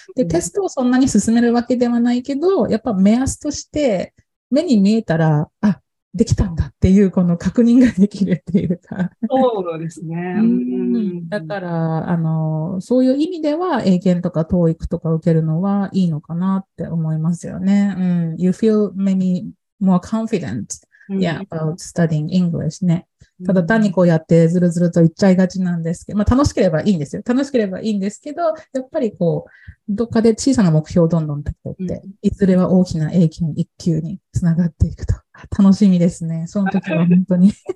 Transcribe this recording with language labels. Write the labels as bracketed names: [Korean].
[Japanese] で、テストをそんなに進めるわけではないけど、やっぱ目安として目に見えたら、あ、できたんだっていうこの確認ができるっていうか。そうですね。だから、そういう意味では、英検とか TOEIC とか受けるのはいいのかなって思いますよね。 [English] うん、you feel maybe more confident、うん、yeah, about studying English ね。 [Japanese] ただ単にこうやってずるずると言っちゃいがちなんですけど、まあ楽しければいいんですよ。楽しければいいんですけど、やっぱりこう、どっかで小さな目標をどんどん立てて、うん、いずれは大きな英検一級につながっていくと。楽しみですね。その時は本当に。